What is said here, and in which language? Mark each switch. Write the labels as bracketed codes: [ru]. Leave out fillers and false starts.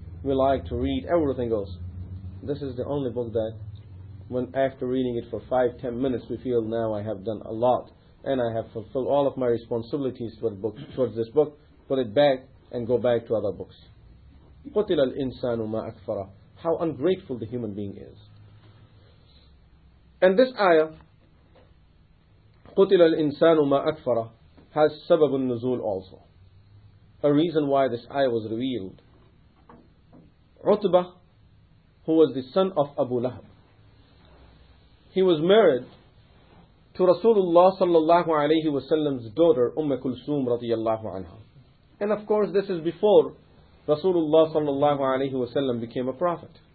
[en] We like to read everything else. This is the only book that when after reading it for 5-10 minutes we feel now I have done a lot and I have fulfilled all of my responsibilities towards this book. Put it back and go back to other books. [ar] قُتِلَ الْإِنسَانُ مَا أَكْفَرَهُ. [en] How ungrateful the human being is. And this ayah, [ar] قُتِلَ الْإِنسَانُ مَا أَكْفَرَهُ, [en] has [ar] سَبَبُ النُّزُولِ [en] also. A reason why this ayah was revealed. Utbah, who was the son of Abu Lahab, he was married to Rasulullah sallallahu alayhi wa sallam's daughter, Umm Kulsum radiyallahu anha. And of course, this is before Rasulullah sallallahu alayhi wa sallam became a prophet.